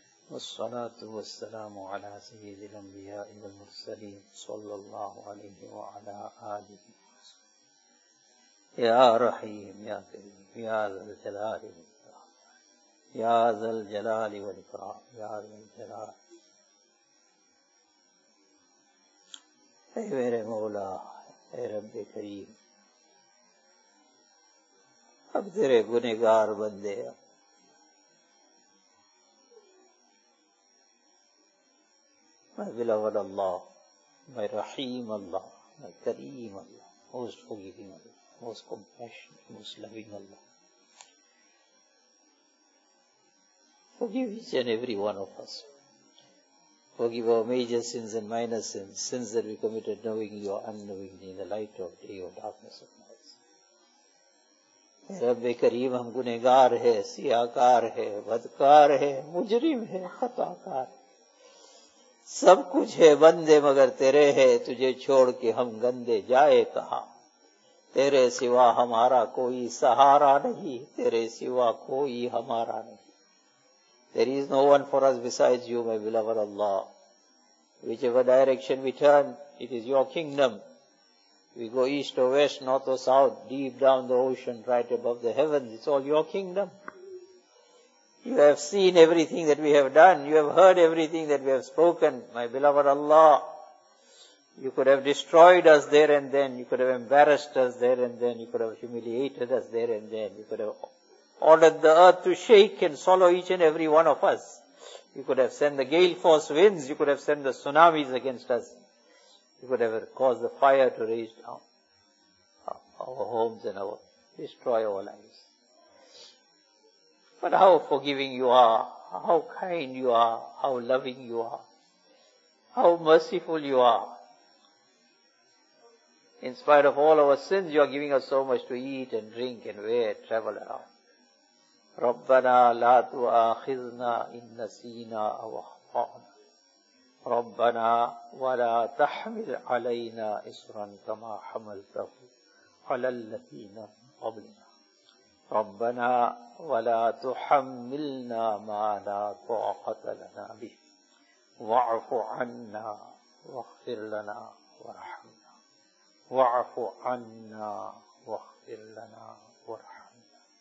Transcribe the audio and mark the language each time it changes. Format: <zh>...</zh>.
<ar>والصلاة والسلام على سيد الأنبياء والمرسلين صلى الله عليه وعلى آله يا رحيم يا كريم يا ذا الجلال والإكرام يا ذا الجلال والإكرام يا ذا الجلال</ar> <ur>اے میرے مولا اے رب کریم اب تیرے گنہگار بندے</ur> <en>My beloved Allah, my Rahim Allah, my Kareem Allah, most forgiving Allah, most compassionate, most loving Allah. Forgive each and every one of us. Forgive our major sins and minor sins, sins that we committed knowingly or unknowingly in the light of day or darkness of night.</en> <ur>Rabbe Kareem, hum gunegar hai, siyakar hai, badkar hai, mujrim hai, khatakar hai. سب کچھ ہے بندے مگر تیرے ہے تجھے چھوڑ کے ہم گندے جائے کہاں تیرے سوا ہمارا کوئی سہارا نہیں تیرے سوا کوئی ہمارا نہیں</ur> <en>There is no one for us besides you, my beloved Allah. Whichever direction we turn, it is your kingdom. We go east or west, north or south, deep down the ocean, right above the heavens, it's all your kingdom. You have seen everything that we have done. You have heard everything that we have spoken. My beloved Allah, you could have destroyed us there and then. You could have embarrassed us there and then. You could have humiliated us there and then. You could have ordered the earth to shake and swallow each and every one of us. You could have sent the gale force winds. You could have sent the tsunamis against us. You could have caused the fire to raise down our homes and our destroy our lives. But how forgiving you are, how kind you are, how loving you are, how merciful you are. In spite of all our sins, you are giving us so much to eat and drink and wear, travel around.</en> <ar>رَبَّنَا لَا تُؤَاخِذْنَا إِن نَسِيْنَا أَوْ أَخْطَأْنَا رَبَّنَا وَلَا تَحْمِلْ عَلَيْنَا إِصْرًا كَمَا حَمَلْتَهُ عَلَى الَّذِينَ مِنْ قَبْلِنَا ربنا ولا تحملنا ما لا طاقة لنا به واعف عنا واغفر لنا وارحمنا واعف عنا واغفر لنا وارحمنا</ar>